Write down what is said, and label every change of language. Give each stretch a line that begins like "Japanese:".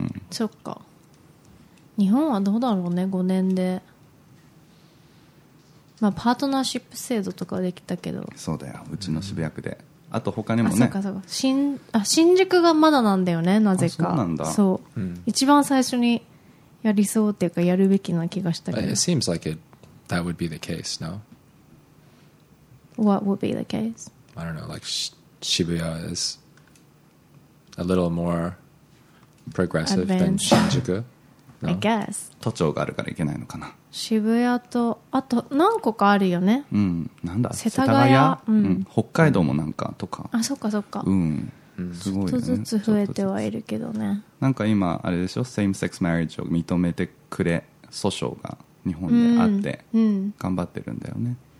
Japanese: そっか日本はどうだろうね5年で、まあ、パートナーシップ制度とかできたけどそうだようちの渋谷区で、あと他にもねあそうかそうか 新宿がまだなんだよねなぜかそうなんだそう、一番最初にやりそうっていうかやるべきな気がしたけど
English: It seems like it, that would be the case no? What would be the case? I don't know like Shibuya is a little more progressive、 Advanced. than Shinjuku No? I guess.
Japanese: 都庁があるから行けないのかな。渋谷とあと何個かあるよね。なんだ。世田谷。北海道もなんかとか。あ、そっかそっか。うん。すごいね。ちょっとずつ増えてはいるけどね。なんか今あれでしょ、
English: same sex marriage
Japanese: を認めてくれ訴訟が日本であって、頑張ってるんだよね。